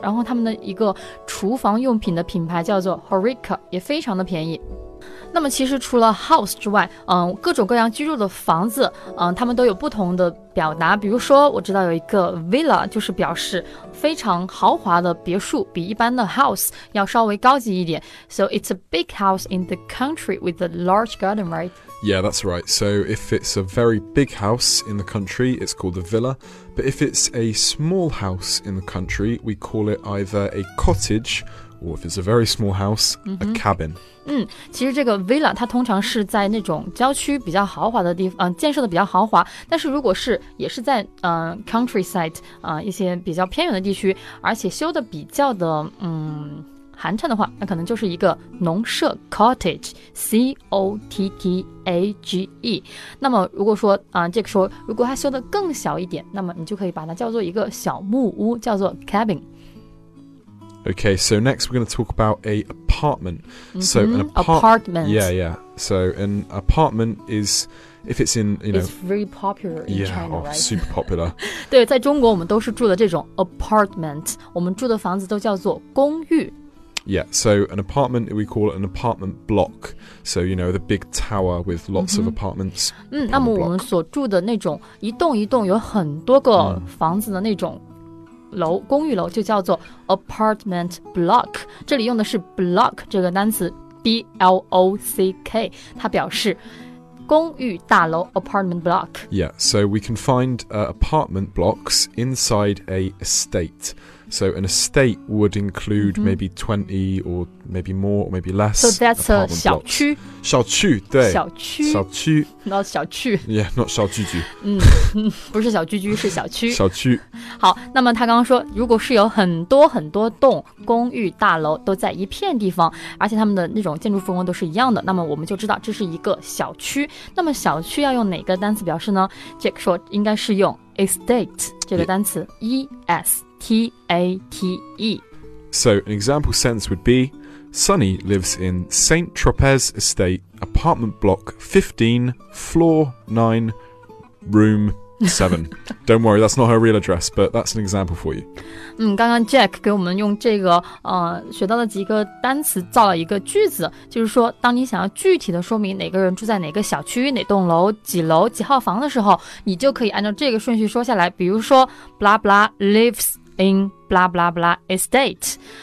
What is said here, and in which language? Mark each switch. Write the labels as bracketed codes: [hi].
[zh] 然后他们的一个厨房用品的品牌叫做 Horeca， 也非常的便宜。那么其实除了 house 之外、各种各样居住的房子、他们都有不同的表达，比如说我知道有一个 villa 就是表示非常豪华的别墅，比一般的 house 要稍微高级一点。 [en] So it's a big house in the country with a large garden, right? Yeah, that's right. So if it's a very big house in the country, it's called a villa. But if it's a small house in the country, we call it either a cottage or if it's a very small house, a cabin. [zh] 嗯，其实这个 villa 它通常是在那种郊区比较豪华的地方、建设的比较豪华，但是如果是也是在、countryside、一些比较偏远的地区，而且修的比较的寒碜的话，那可能就是一个农舍 cottage, C-O-T-T-A-G-E。那么如果说、这个说如果它修的更小一点，那么你就可以把它叫做一个小木屋，叫做 cabin。 [en] Okay, so next we're going to talk about an apartment. So an apartment. Yeah, yeah. So an apartment is, if it's in, you know... It's very popular in yeah, China, oh, right? Yeah, super popular. [zh] 对，在中国我们都是住的这种 apartment. 我们住的房子都叫做公寓。 [en] Yeah, so an apartment, we call it an apartment block. So, you know, the big tower with lots of apartments. [zh] 那么我们所住的那种一栋一栋有很多个房子的那种楼，公寓楼就叫做 apartment block， 这里用的是 block 这个单词 B-L-O-C-K， 它表示公寓大楼 apartment block。 [en] Yeah, so we can find、apartment blocks inside a estate. So an estate would include、maybe 20 or maybe more or maybe less. So that's a 小区， [zh] 小区，对，小区，小区， [en] not 小区。 Yeah, not 小居居。 [zh] 不是小居居，是小区，小区。好，那么他刚刚说如果是有很多很多栋公寓大楼都在一片地方，而且他们的那种建筑风格都是一样的，那么我们就知道这是一个小区。那么小区要用哪个单词表示呢？Jack 说应该是用 estate 这个单词、E-S-T-A-T-E。 [en] So an example sentence would beSunny lives in Saint Tropez Estate, apartment block 15, floor 9, room 7. Don't worry, that's not her real address, but that's an example for you. [zh] 刚刚 Jack 给我们用这个、学到的几个单词造了一个句子，就是说当你想要具体的说明哪个人住在哪个小区、哪栋楼、几楼、几号房的时候，你就可以按照这个顺序说下来，比如说 [en] blah blah lives in blah blah blah estate.